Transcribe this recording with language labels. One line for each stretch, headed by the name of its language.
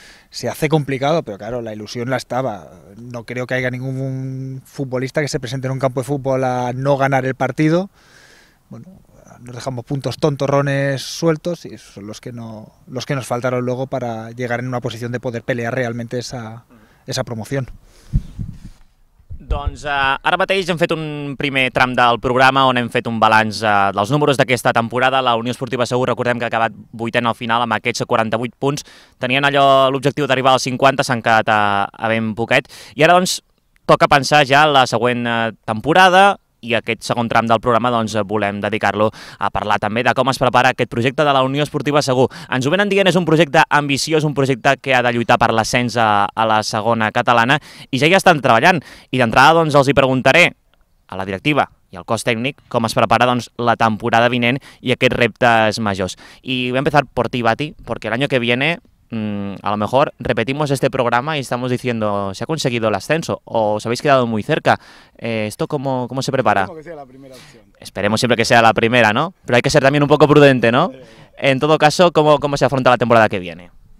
Spanish: Se hace complicado, pero claro, la ilusión la estaba. No creo que haya ningún futbolista que se presente en un campo de fútbol a no ganar el partido. Bueno, nos dejamos puntos tontorrones sueltos y son los que nos faltaron luego para llegar en una posición de poder pelear realmente esa promoción.
Catalan: Doncs ara mateix hem fet un primer tram del programa on hem fet un balanç dels números d'aquesta temporada. La Unió Esportiva Segur, recordem que ha acabat 8è al final amb aquests 48 punts. Tenien allò l'objectiu d'arribar als 50, s'han quedat a ben poquet. I ara doncs toca pensar ja la següent temporada, i aquest segon tram del programa doncs volem dedicar-lo a parlar també de com es prepara aquest projecte de la Unió Esportiva Segur. Ens ho venen dient, és un projecte ambiciós, un projecte que ha de lluitar per l'ascens a la segona catalana, i ja hi estan treballant. I d'entrada doncs els hi preguntaré a la directiva i al cos tècnic com es prepara doncs la temporada vinent i aquests reptes majors. I vam
Spanish: empezar por ti, Bati, porque el año que viene a lo mejor repetimos este programa y estamos diciendo, ¿se ha conseguido el ascenso? ¿O os habéis quedado muy cerca? ¿Esto cómo se prepara? Esperemos que sea la primera opción. Esperemos siempre que sea la primera, ¿no? Pero hay que ser también un poco prudente, ¿no? En todo caso, ¿cómo se afronta la temporada que viene?